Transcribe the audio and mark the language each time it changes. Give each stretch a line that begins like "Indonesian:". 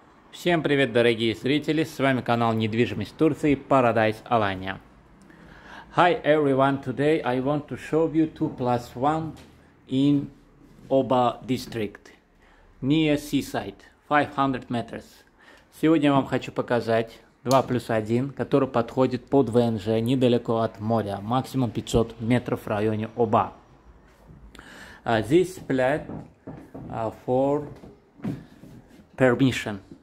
Russian: Всем привет, дорогие зрители! С вами канал Недвижимость в Турции, Paradise Alanya.
English: Hi everyone, today I want to show you 2+1 in Oba district, near seaside, 500 meters.
Russian: Сегодня я вам хочу показать 2+1, который подходит под ВНЖ, недалеко от моря, максимум 500 метров в районе Оба.
English: This flat for permission.